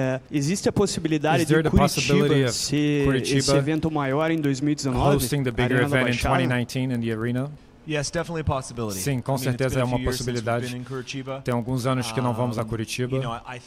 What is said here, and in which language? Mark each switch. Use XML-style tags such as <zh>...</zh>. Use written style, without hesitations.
<pt>Existe a possibilidade de Curitiba ser esse evento maior em 2019?</pt> <en>Hosting the bigger event in 2019 in the arena? Yes, definitely a possibility.</en> <pt>Sim, com certeza é uma possibilidade. Tem alguns anos que não vamos a Curitiba.</pt>